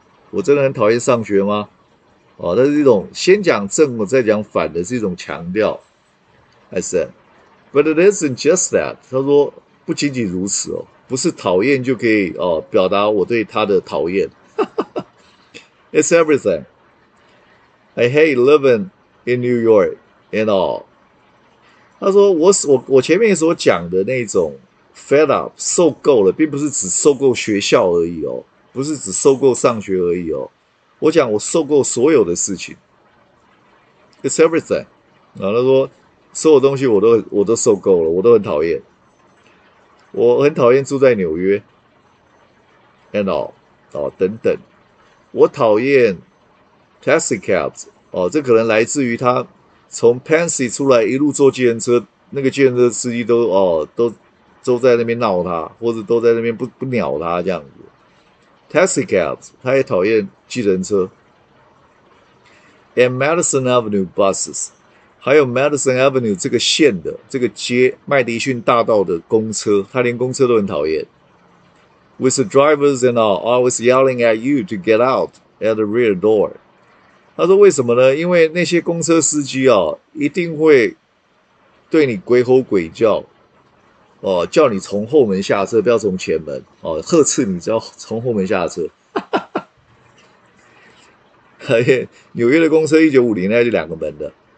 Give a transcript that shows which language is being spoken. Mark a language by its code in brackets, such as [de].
[zh] 我真的很讨厌上学吗？哦，那是一种先讲正，我再讲反的，是一种强调。 [en] I said， but it isn't just that。 [zh] 他说不仅仅如此哦，不是讨厌就可以哦表达我对他的讨厌。 [en] It's everything. I hate living in New York and all. [zh] 他说我前面所讲的那种 fed up 受够了，并不是只受够学校而已哦，不是只受够上学而已哦。我讲我受够所有的事情。 [en] It's everything. [zh] 然后他说所有东西我都受够了，我都很讨厌。我很讨厌住在纽约 [en] and all [zh] 哦等等。我讨厌 taxi cabs 哦，这可能来自于他从 Pansy 出来一路坐计程车，那个计程车司机都在那边闹他，或者都在那边不鸟他这样子。 taxi cabs 他也讨厌计程车。 [en] And Madison Avenue buses， [zh] 还有 Madison Avenue 这个县的这个街，麦迪逊大道的公车，他连公车都很讨厌。 [en] With the drivers and all always yelling at you to get out at the rear door。 [zh] 他说为什么呢？因为那些公车司机啊，一定会对你鬼吼鬼叫，哦，叫你从后门下车，不要从前门，哦，呵斥你只要从后门下车。而且纽约的公车1950年代就两个门的。